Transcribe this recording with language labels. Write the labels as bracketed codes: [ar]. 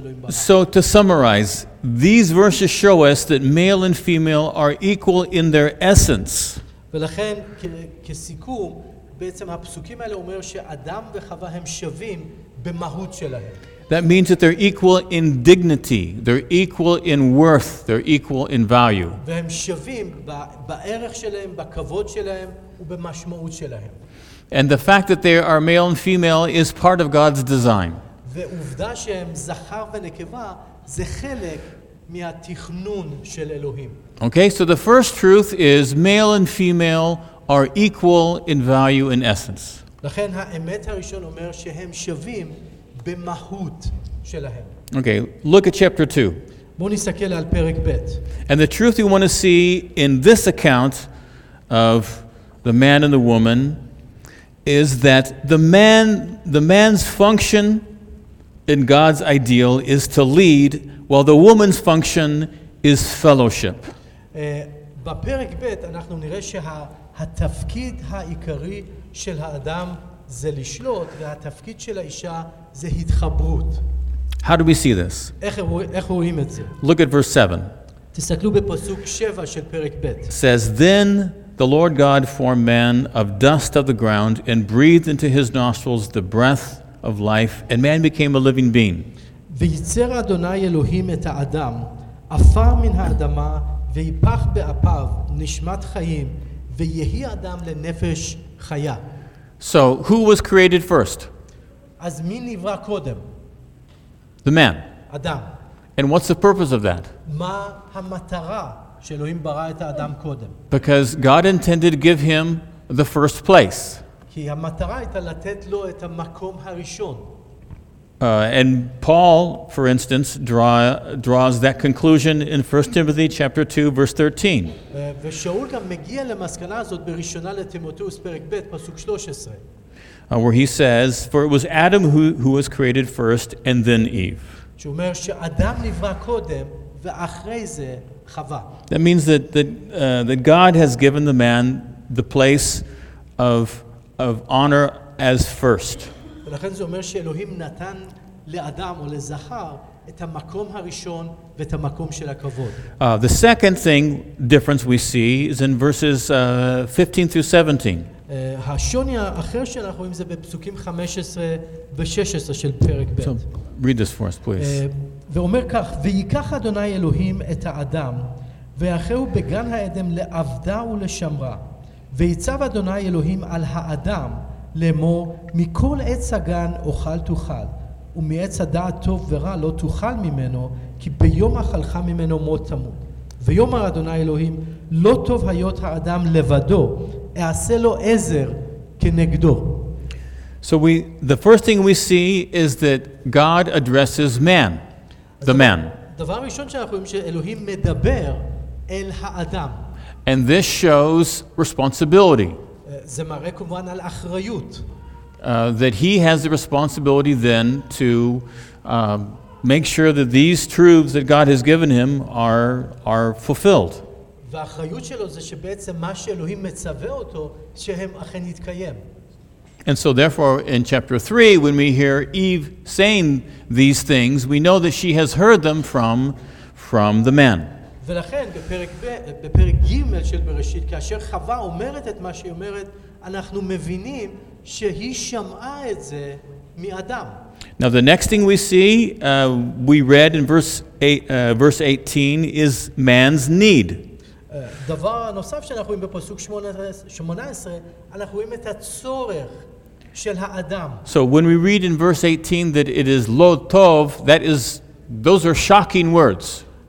[en] So to summarize, these verses show us that male and female are equal in their essence. [he] ולכן כסיכום בעצם הפסוקים האלה אומר שאדם וחווה הם שווים במהות שלהם. [en] That means that they're equal in dignity, they're equal in worth, they're equal in value. [he] והם שווים בערך שלהם, בכבוד שלהם ובמשמעות שלהם. [en] And the fact that they are male and female is part of God's design. [he] ועובדה שהם זכר ונקבה זה חלק מהתכנון של אלוהים. [en] Okay, so the first truth is male and female are equal in value and essence. [he] לכן האמת הראשון אומר שהם שווים במהות שלהם. [en] Okay, look at chapter 2. [he] בוא נסתכל על פרק ב'. [en] And the truth you want to see in this account of the man and the woman is that the man's function in God's ideal is to lead, while the woman's function is fellowship. [he] בפרק ב' אנחנו נראה שהתפקיד העיקרי של האדם זה לשלוט, והתפקיד של האישה זה התחברות. [en] How do we see this? [he] איך רואים את זה? [en] Look at verse 7. [he] תסתכלו בפסוק 7 של פרק ב'. [en] Says, then the Lord God formed man of dust of the ground and breathed into his nostrils the breath of life, and man became a living being. [he] ויצר אדוני אלוהים את האדם, עפר מן האדמה, ויפח באפיו נשמת חיים, ויהי אדם לנפש חיה. [en] So, who was created first? [he] אז מי נברא קודם? [en] The man. [he] אדם. [en] And what's the purpose of that? [he] מה המטרה שאלוהים ברא את האדם קודם. [en] Because God intended to give him the first place. [he] כי המטרה הייתה לתת לו את המקום הראשון. [en] And Paul, for instance, draws that conclusion in 1 Timothy chapter 2, verse 13. [he] ושאול גם מגיע למסקנה הזאת בראשונה לתימותאוס פרק ב', פסוק 13. [en] Where he says, "For it was Adam who was created first, and then Eve." [he] שהוא אומר שאדם נברא קודם, ואחרי זה חווה. [en] That means that God has given the man the place of honor as first. [he] ולכן זה אומר שאלוהים נתן לאדם או לזכר את המקום הראשון ואת המקום של הכבוד. [en] The second thing difference we see is in verses 15 through 17. [he] השוני האחר שאנחנו רואים זה בפסוקים 15 ו-16 של פרק ב'. [en] So, read this for us, please. [he] ואומר כך, ויקח אדוני אלוהים את האדם, ויחהו בגן העדן לעבדה ולשמרה, ויצב אדוני אלוהים על האדם, לאמור, מכל עץ הגן אוכל תאכל, ומעץ הדעת טוב ורע לא תאכל ממנו, כי ביום אכלך ממנו מות תמות. ויאמר אדוני אלוהים, לא טוב היות האדם לבדו, אעשה לו עזר כנגדו. [en] So the first thing we see is that God addresses man, the man. [he] דבר ראשון שאנחנו רואים שאלוהים מדבר אל האדם. [en] And this shows responsibility. [he] זה מראה כמובן על אחריות. [en] That he has the responsibility then to make sure that these truths that God has given him are fulfilled. [he] והאחריות שלו זה שבעצם מה שאלוהים מצווה אותו שהם אכן יתקיים. [en] And so therefore in chapter 3 when we hear Eve saying these things we know that she has heard them from the man. [he] ולכן בפרק ג' של בראשית כאשר חווה אומרת את מה שהיא אומרת אנחנו מבינים שהיא שמעה את זה מאדם. [en] Now the next thing we see we read in verse 18 is man's need. [he] דבר נוסף שאנחנו רואים בפסוק 18 אנחנו רואים את הצורך של האדם. [en] So when we read in verse 18 that it is [he] lo tov, [en] that is those are shocking words.